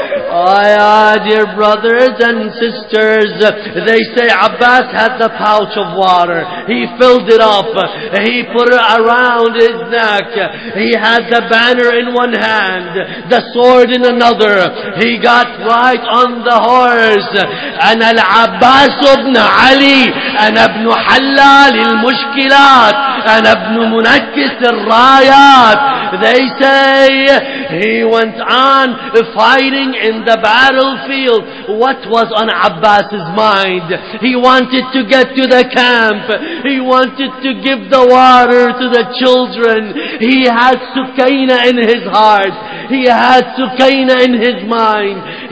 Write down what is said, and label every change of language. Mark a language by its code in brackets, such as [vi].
[en] Ah, dear brothers and sisters, they say Abbas had the pouch of water. He filled it up. He put it around his neck. He had the banner in one hand, the sword in another. He got right on the horse. [ar] أنا العباس ابن علي أنا ابن حلال المشكلات أنا ابن منكس الرايات. [en] They say he went on fighting in the battlefield. What was on Abbas's mind? He wanted to get to the camp. He wanted to give the water to the children. He had Sukaina in his heart. He had Sukaina in his mind.